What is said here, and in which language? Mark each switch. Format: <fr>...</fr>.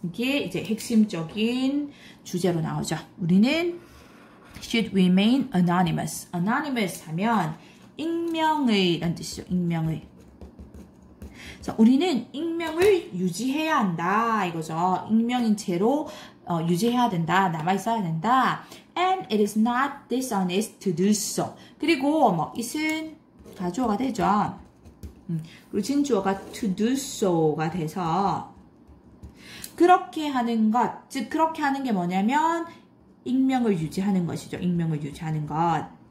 <ko>이게 이제 핵심적인 주제로 나오죠. 우리는</ko> <en>should remain anonymous. Anonymous</en> <ko>하면 익명의란 뜻이죠. 익명의. 자, 우리는 익명을 유지해야 한다. 이거죠. 익명인 채로 유지해야 된다. 남아 있어야 된다.</ko> <en>And it is not dishonest to do so.</en> <ko>그리고 뭐 it은 가주어가 되죠. 그리고 진주어가 to do so가 돼서 그렇게 하는 것, 즉 그렇게 하는 게 뭐냐면 익명을 유지하는 것이죠. 익명을 유지하는 것.</ko>